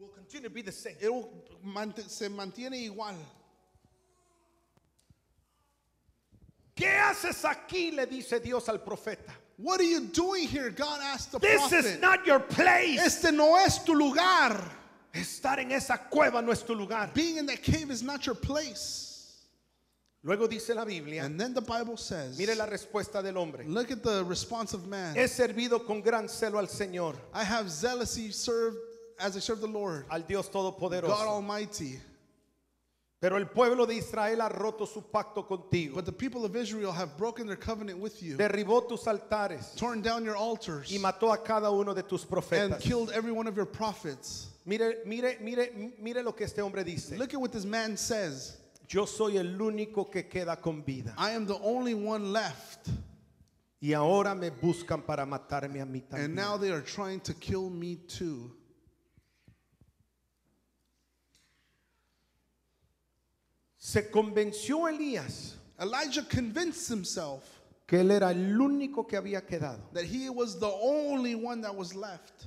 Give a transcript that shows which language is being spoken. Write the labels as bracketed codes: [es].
[en] Continue to be the same. It will [es] se mantiene igual. ¿Qué haces aquí? Le dice Dios al profeta. [en] What are you doing here? God asked the this prophet. This is not your place. [es] Este no es tu lugar. Estar en esa cueva no es tu lugar. [en] Being in that cave is not your place. [es] Luego dice la Biblia. [en] And then the Bible says. [es] Mire la respuesta del hombre. [en] Look at the response of man. [es] He servido con gran celo al Señor. [en] I have zealously served. As I serve the Lord, [es] al Dios Todopoderoso, [en] God Almighty. [es] Pero el pueblo de Israel ha roto su pacto contigo. [en] But the people of Israel have broken their covenant with you. [es] Derribó tus altares, [en] torn down your altars, [es] y mató a cada uno de tus profetas, [en] and killed every one of your prophets. [es] Mire lo que este hombre dice. [en] Look at what this man says. [es] Yo soy el único que queda con vida. [en] I am the only one left. [es] Y ahora me buscan para matarme a mí también. [en] And now they are trying to kill me too. [es] Se convenció Elías. [en] Elijah convinced himself [es] que él era el único que había quedado. [en] That he was the only one that was left.